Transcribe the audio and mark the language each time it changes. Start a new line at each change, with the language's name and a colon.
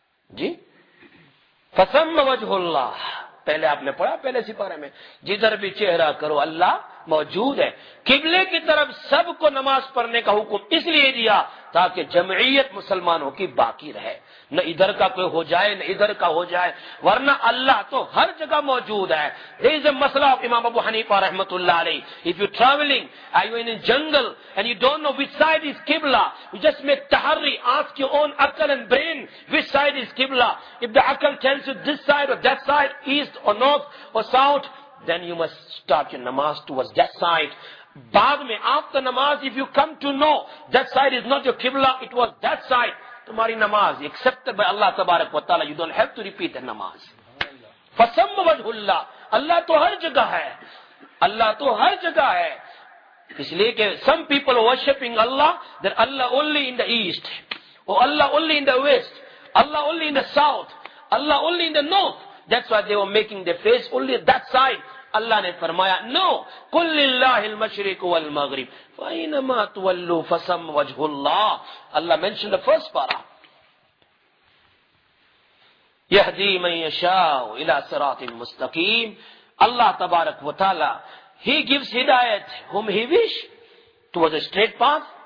Urdu: جی
Arabic: فثم وجہ اللہ,
Urdu: پہلے آپ نے پڑھا پہلے سپارے میں, جدھر بھی چہرہ کرو اللہ موجود ہے. قبلے کی طرف سب کو نماز پڑھنے کا حکم اس لیے دیا تاکہ جمعیت مسلمانوں کی باقی رہے، نہ ادھر کا کوئی ہو جائے نہ ادھر کا ہو جائے، ورنہ اللہ تو ہر جگہ موجود ہے.
English: There is a مسئلہ of امام ابو حنیفہ رحمۃ اللہ علیہ. If you traveling are you in a jungle and you don't know which side is قبلہ, you just make تحری, ask your own عقل and brain which side is قبلہ. If the عقل tells you this side or that side, east or north or south, then you must start your namaz towards that side.
Urdu: بعد میں
English: after namaz, if you come to know that side is not your qibla, it was that side,
Urdu: تمہاری نماز
English: accepted by Allah تبارک و تعالی. You don't have to repeat the namaz.
Arabic: فسم وجہ اللہ,
Urdu: اللہ تو ہر جگہ ہے, اللہ تو ہر جگہ ہے. اس لیے کہ
English: Some people worshipping Allah, then Allah only in the east, or Allah only in the west, Allah only in the south, Allah only in the north. That's why they were making their face only that side.
Urdu: اللہ نے فرمایا
Arabic: نو قل للہ المشرق والمغرب فاینما تولوا فسم وجہ اللہ.
English: اللہ mention the first پارا,
Arabic: یہدی من یشاء الی صراط مستقیم.
English: اللہ تبارک و تعالی, ہی گیوز ہدایت him he wish to a straight path.